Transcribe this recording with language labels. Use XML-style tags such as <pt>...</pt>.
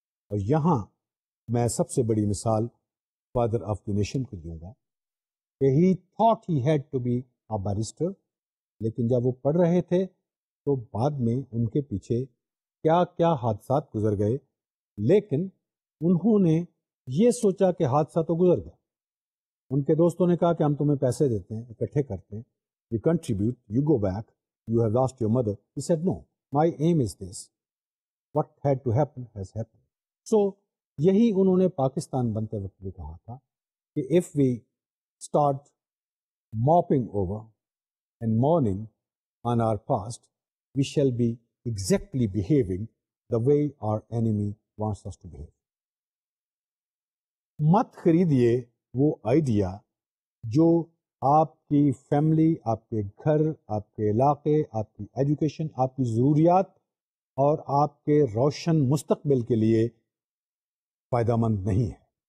<ur>اور یہاں میں سب سے بڑی مثال فادر آف دی نیشن کو دوں گا کہ</ur> <en>he thought he had to be a barrister,</en> <ur>لیکن جب وہ پڑھ رہے تھے تو بعد میں ان کے پیچھے کیا کیا حادثات گزر گئے, لیکن انہوں نے یہ سوچا کہ حادثہ تو گزر گیا. ان کے دوستوں نے کہا کہ ہم تمہیں پیسے دیتے ہیں, اکٹھے کرتے ہیں,</ur> <en>You contribute, you go back, you have lost your mother. He said no, My aim is this. What had to happen has happened. So,</en> <ur>یہی انہوں نے پاکستان بنتے وقت بھی کہا تھا کہ</ur> <en>if we start mopping over and mourning on our past, we shall be exactly behaving the way our enemy wants us to behave.</en> <ur>مت خریدیے وہ آئیڈیا جو آپ کی فیملی، آپ کے گھر، آپ کے علاقے، آپ کی ایجوکیشن، آپ کی ضروریات اور آپ کے روشن مستقبل کے لیے فائدہ مند نہیں ہے.</ur>